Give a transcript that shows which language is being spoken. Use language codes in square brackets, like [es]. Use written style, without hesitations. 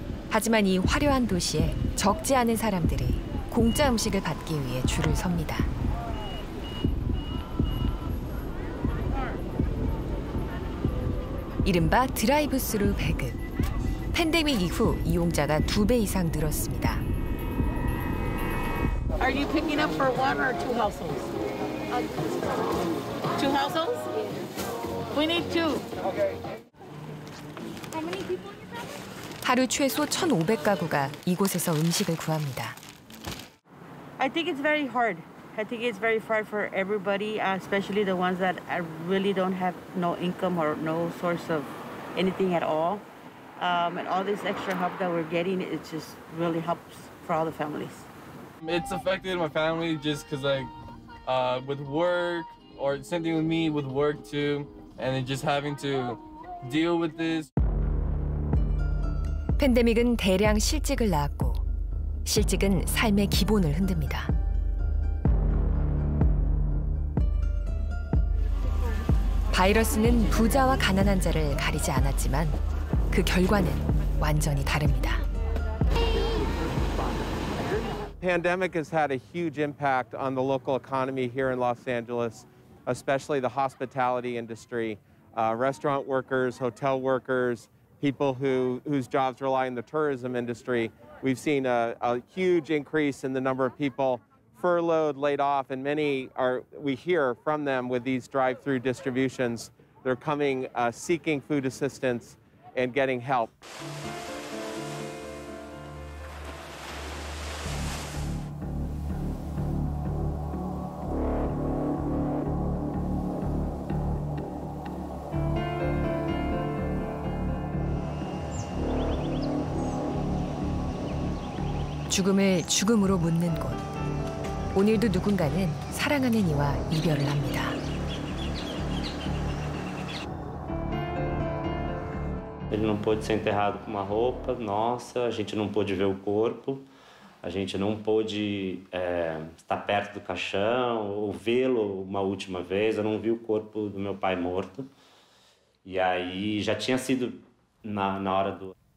[ko] 하지만 이 화려한 도시에 적지 않은 사람들이 공짜 음식을 받기 위해 줄을 섭니다. 이른바 드라이브스루 배급. 팬데믹 이후 이용자가 두 배 이상 늘었습니다. [en] Are you picking up for one or two households? Two households? We need two. Okay. How many people in your family? [ko] 하루 최소 1,500 가구가 이곳에서 음식을 구합니다. [en] I think it's very hard. I think it's very hard for everybody, especially the ones that really don't have no income or no source of anything at all. And all this extra help that we're getting, it just really helps for all the families. It's affected my family just because, like, with work, or same thing with me with work too, and just having to deal with this. [ko] 팬데믹은 대량 실직을 낳았고, 실직은 삶의 기본을 흔듭니다. 바이러스는 부자와 가난한 자를 가리지 않았지만 그 결과는 완전히 다릅니다. [en] Pandemic has had a huge impact on the local economy here in Los Angeles, especially the hospitality industry, restaurant workers, hotel workers, people whose jobs rely on the tourism industry. We've seen a huge increase in the number of people furloughed, laid off, and many are, we hear from them with these drive-through distributions. They're coming seeking food assistance and getting help. [ko] 죽음을 죽음으로 묻는 곳. 오늘도 누군가는 사랑하는 이와 이별을 합니다. [pt] 이 não pôde ser enterrado com uma roupa nossa, a gente não pôde ver o corpo, a gente não pôde estar perto do caixão ou vê-lo uma última vez. Eu não vi o corpo do meu pai morto. E aí já tinha sido na hora do